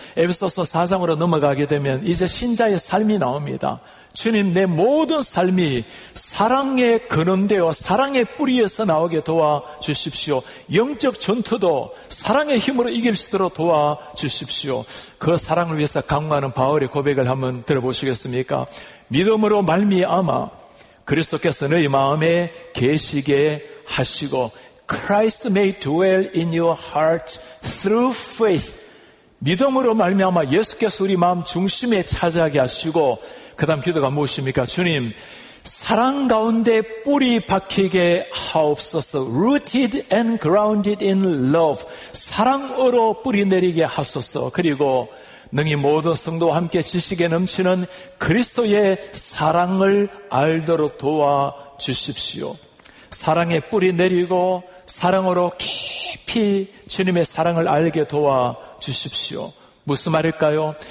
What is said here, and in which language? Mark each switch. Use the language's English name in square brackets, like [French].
[Korean] 에베소서 4장으로 넘어가게 되면 이제 신자의 삶이 나옵니다. 주님, 내 모든 삶이 사랑에 근원되어 사랑의 뿌리에서 나오게 도와주십시오. 영적 전투도 사랑의 힘으로 이길 수 있도록 도와주십시오. 그 사랑을 위해서 강구하는 바울의 고백을 한번 들어보시겠습니까? 믿음으로 말미암아 그리스도께서 너희 마음에 계시게 하시고 [English] Christ may dwell in your heart through faith. [Korean] 믿음으로 말미암아 예수께서 우리 마음 중심에 차지하게 하시고 그 다음 기도가 무엇입니까? 주님, 사랑 가운데 뿌리 박히게 하옵소서. [English] Rooted and grounded in love. [Korean] 사랑으로 뿌리 내리게 하소서. 그리고 능히 모든 성도와 함께 지식에 넘치는 그리스도의 사랑을 알도록 도와주십시오. 사랑에 뿌리 내리고 사랑으로 깊이 주님의 사랑을 알게 도와주십시오. 무슨 말일까요?